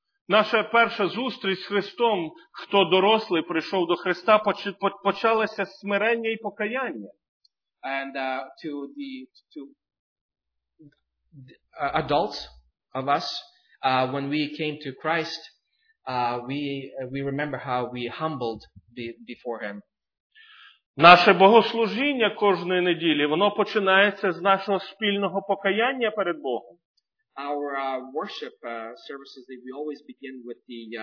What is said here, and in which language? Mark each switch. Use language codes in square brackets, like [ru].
[uk] Наша перша зустріч з Христом, хто дорослий прийшов до Христа, почалося смирення і покаяння. [en] And to the adults of us, when we came to Christ, we remember how we humbled before Him. [uk] Наше богослужіння кожної неділі, воно починається з нашого спільного покаяння перед Богом. [en] Our worship services, we always begin with the